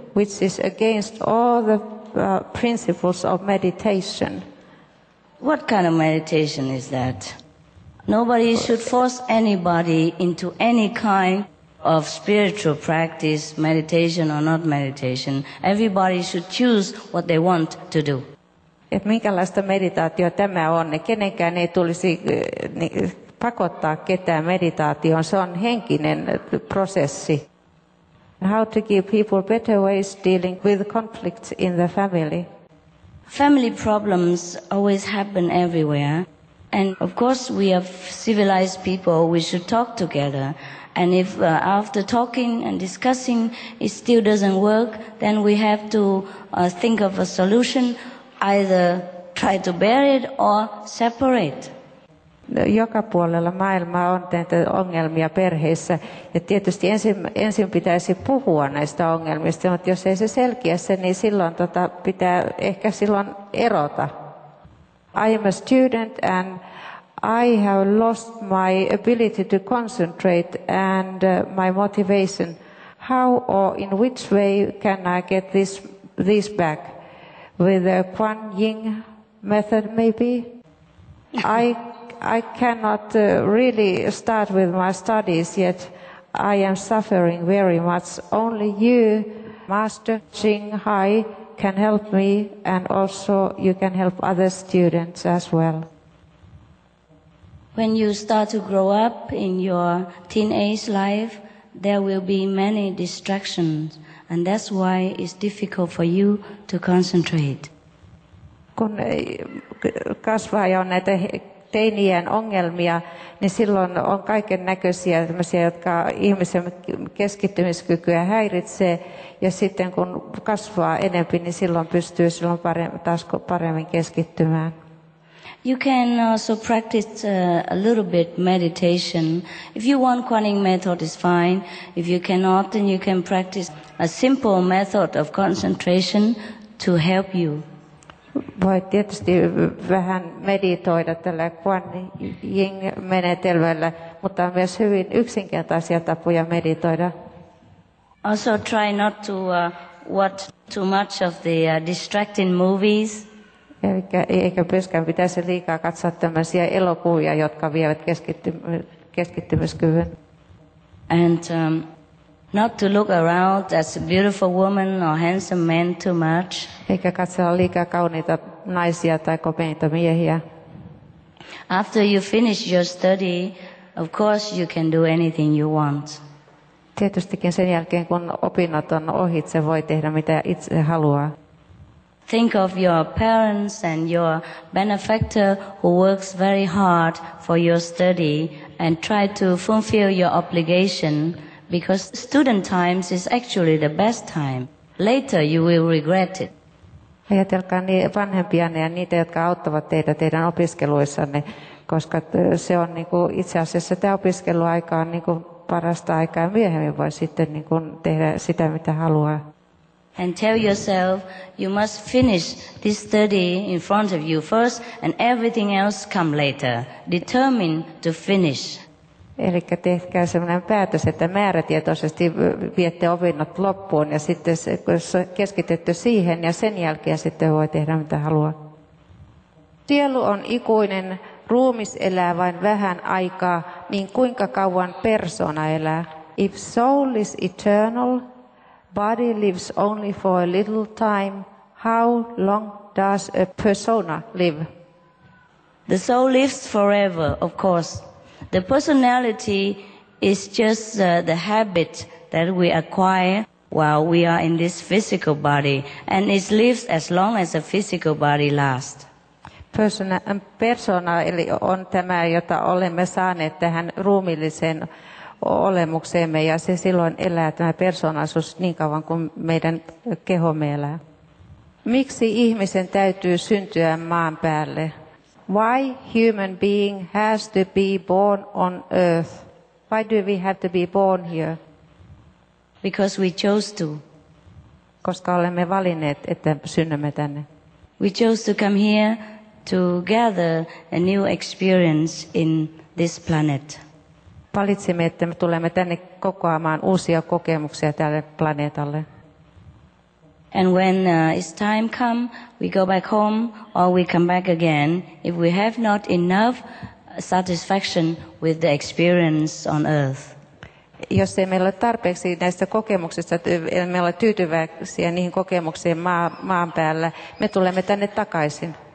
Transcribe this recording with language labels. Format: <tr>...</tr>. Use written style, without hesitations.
<en>which is against all the principles of meditation. What kind of meditation is that? Nobody should force anybody into any kind of spiritual practice, meditation or not meditation. Everybody should choose what they want to do.</en> <fi>Et minkälaista meditaatio tämä on? Kenenkään ei tulisi pakottaa ketään meditaatioon. Se on henkinen prosessi.</fi> <en>How to give people better ways dealing with conflicts in the family? Family problems always happen everywhere. And of course, we are civilized people, we should talk together. And if after talking and discussing it still doesn't work, then we have to think of a solution, either try to bear it or separate.</en> <fi>Joka puolella maailmaa on näitä ongelmia perheissä. Ja tietysti ensin pitäisi puhua näistä ongelmista, mutta jos ei se selkiä se, niin silloin pitää ehkä silloin erota.</fi> <en>I am a student and I have lost my ability to concentrate and my motivation. How or in which way can I get this back? With the Kuan Yin method maybe? I cannot really start with my studies yet. I am suffering very much. Only you, Master Ching Hai, can help me, and also you can help other students as well. When you start to grow up in your teenage life, there will be many distractions, and that's why it's difficult for you to concentrate.</en> <fi>Kun kasvaa ja on näitä teinien ongelmia, niin silloin on kaiken näköisiä tämmöisiä, jotka ihmisen keskittymiskykyä häiritsee. Ja sitten kun kasvaa enempi, niin silloin pystyy silloin paremmin keskittymään.</fi> <en>You can also practice a little bit meditation. If you want Kuan Yin method, it's fine. If you cannot, then you can practice a simple method of concentration to help you.</en> <fi>Voi tietysti vähän meditoida tällä Kuan Yin -menetelmällä, mutta on myös hyvin yksinkertaisia tapoja meditoida.</fi> <en>Also try not to watch too much of the distracting movies.</en> <fi>Eikä myöskään pitäisi liikaa katsoa tämmöisiä elokuvia, jotka vievät keskittymiskyvyn.</fi> <en>And not to look around as a beautiful woman or handsome man too much.</en> <fi>Eikä katsella liikaa kauniita naisia tai komeita miehiä.</fi> <en>After you finish your study, of course you can do anything you want.</en> <fi>Tietystikin sen jälkeen, kun opinnot on ohitse, voi tehdä mitä itse haluaa.</fi> <en>Think of your parents and your benefactor who works very hard for your study and try to fulfill your obligation, because student times is actually the best time. Later you will regret it.</en> <fi>Ajatelkaa vanhempianne ja niitä, jotka auttavat teitä teidän opiskeluissanne, koska se on itse asiassa tämä opiskeluaika on parasta aikaa, myöhemmin voi sitten tehdä sitä mitä haluaa.</fi> <en>And tell yourself you must finish this study in front of you first and everything else come later. Determine to finish.</en> <fi>Elikkä tehkää sellainen päätös, että määrätietoisesti viette opinnot loppuun ja sitten keskitytte siihen ja sen jälkeen sitten voi tehdä mitä haluaa. Sielu on ikuinen, ruumis elää vain vähän aikaa, niin kuinka kauan persona elää?</fi> <en>If soul is eternal, body lives only for a little time, how long does a persona live? The soul lives forever, of course. The personality is just the habit that we acquire while we are in this physical body, and it lives as long as a physical body lasts.</en> <fi>Persona eli on tämä, jota olemme saaneet tähän ruumilliseen olemukseemme, ja se silloin elää tämä persoonallisuus niin kauan kuin meidän kehomme elää. Miksi ihmisen täytyy syntyä maan päälle?</fi> <en>Why human being has to be born on earth? Why do we have to be born here? Because we chose to.</en> <fi>Koska olemme valinneet, että synnymme tänne.</fi> <en>We chose to come here to gather a new experience in this planet.</en> <fi>Valitsimme, että me tulemme tänne kokoamaan uusia kokemuksia tälle planeetalle.</fi> <en>And when it's time come, we go back home or we come back again, if we have not enough satisfaction with the experience on earth.</en> <fi>Jos ei meillä ole tarpeeksi näistä kokemuksista, että me ollaan tyytyväisiä niihin kokemuksiin maan päällä, me tulemme tänne takaisin.</fi>